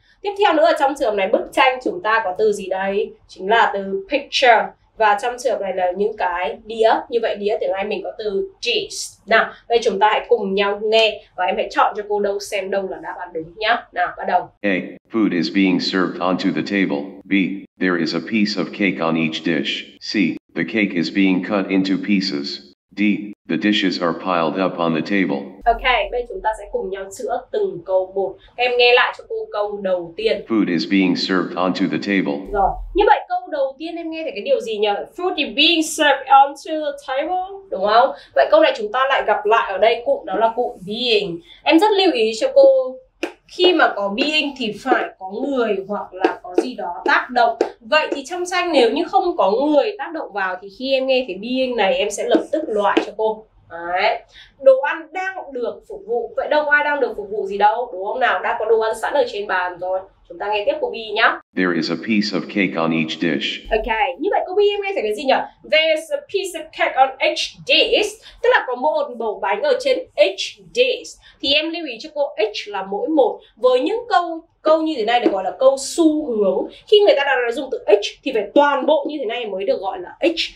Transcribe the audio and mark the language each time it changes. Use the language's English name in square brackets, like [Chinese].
[Vietnamese] Tiếp theo nữa ở trong trường này bức tranh chúng ta có từ gì đây? Chính là từ picture. Và trong trường này là những cái đĩa, như vậy đĩa tiếng Anh mình có từ dish. Nào, đây chúng ta hãy cùng nhau nghe và em hãy chọn cho cô đâu xem đâu là đáp án đúng nhá. Nào, bắt đầu. [English] A. Food is being served onto the table. B. There is a piece of cake on each dish. C. The cake is being cut into pieces. D. The dishes are piled up on the table. [Vietnamese] Ok, bây chúng ta sẽ cùng nhau chữa từng câu một. Em nghe lại cho cô câu đầu tiên. [English] Food is being served onto the table. [Vietnamese] Rồi, như vậy câu đầu tiên em nghe thấy cái điều gì nhỉ? [English] Food is being served onto the table, [Vietnamese] đúng không? Vậy câu này chúng ta lại gặp lại ở đây cụm, đó là cụm being. Em rất lưu ý cho cô, khi mà có being thì phải có người hoặc là có gì đó tác động. Vậy thì trong tranh nếu như không có người tác động vào thì khi em nghe thấy being này em sẽ lập tức loại cho cô. Đấy. Đồ ăn đang được phục vụ. Vậy đâu ai đang được phục vụ gì đâu, đúng không nào? Đã có đồ ăn sẵn ở trên bàn rồi. Chúng ta nghe tiếp cô B nhá. [English] There is a piece of cake on each dish. [Vietnamese] Ok, như vậy cô B em nghe thấy cái gì nhỉ? [English] There's a piece of cake on each dish. [Vietnamese] Tức là có một bầu bánh ở trên each dish. Thì em lưu ý cho cô each là mỗi một. Với những câu như thế này được gọi là câu xu hướng. Khi người ta đã nói dùng từ each thì phải toàn bộ như thế này mới được gọi là each.